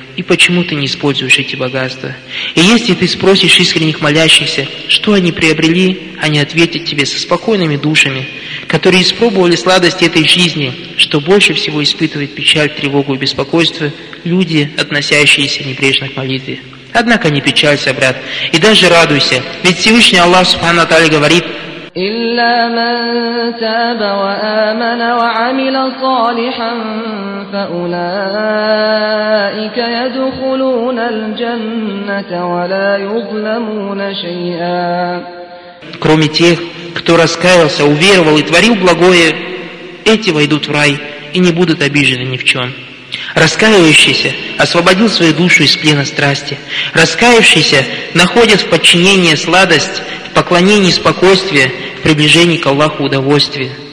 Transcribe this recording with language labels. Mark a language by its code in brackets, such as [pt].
[ru] И почему ты не используешь эти богатства? И если ты спросишь искренних молящихся, что они приобрели, они ответят тебе со спокойными душами, которые испробовали сладость этой жизни, что больше всего испытывает печаль, тревогу и беспокойство люди, относящиеся небрежно к молитве. Однако не печалься, брат, и даже радуйся, ведь Всевышний Аллах Субхана Таля говорит: [ar] إلا من تاب وآمن وعمل صالحا فأولئك يدخلون الجنة ولا يظلمون شيئا. [ru] Кроме тех, кто раскаялся, уверовал и творил благое, эти войдут в рай и не будут обижены ни в чем. Раскаивающийся освободил свою душу из плена страсти. Раскаившийся находит в подчинении сладость, в поклонении спокойствие, в приближении к Аллаху удовольствие.